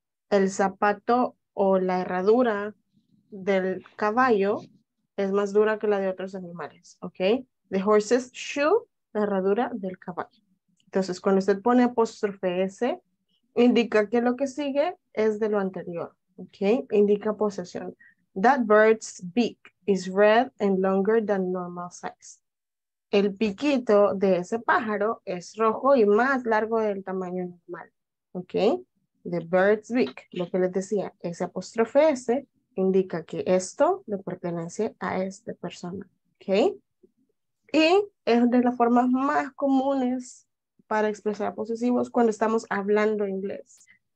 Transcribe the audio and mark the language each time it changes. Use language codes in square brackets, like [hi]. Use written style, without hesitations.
[es] El zapato o la herradura del caballo es más dura que la de otros animales, okay? [en] The horse's shoe, [es] la herradura del caballo. Entonces, cuando usted pone apóstrofe S, indica que lo que sigue es de lo anterior, okay? Indica posesión. [en] That bird's beak is red and longer than normal size. [es] El piquito de ese pájaro es rojo y más largo del tamaño normal, okay? [en] The bird's beak, [es] lo que les decía, ese apóstrofe S, indica que esto le pertenece a esta persona, ¿ok? Y es de las formas más comunes para expresar posesivos cuando estamos hablando inglés.